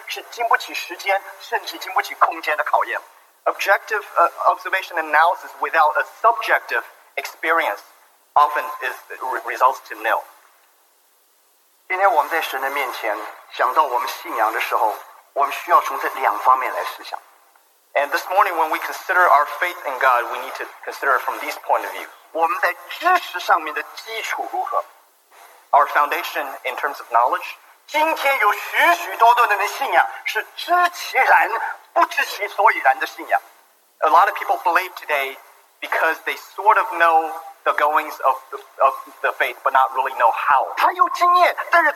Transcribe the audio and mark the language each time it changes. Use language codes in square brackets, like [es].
[zh] 有客观的知识，没有主观的经历，这样的东西是经不起时间，甚至经不起空间的考验。 [en] Objective observation analysis without a subjective experience often results to nil. [zh] 今天我们在神的面前，想到我们信仰的时候，我们需要从这两方面来思想。 [en] And this morning, when we consider our faith in God, we need to consider it from this point of view. [zh] 我们在知识上面的基础如何？ [en] Our foundation in terms of knowledge. [zh] 今天有许许多多的人的信仰是知其然，不知其所以然的信仰。 [en] A lot of people believe today because they sort of know the goings of the faith, but not really know how.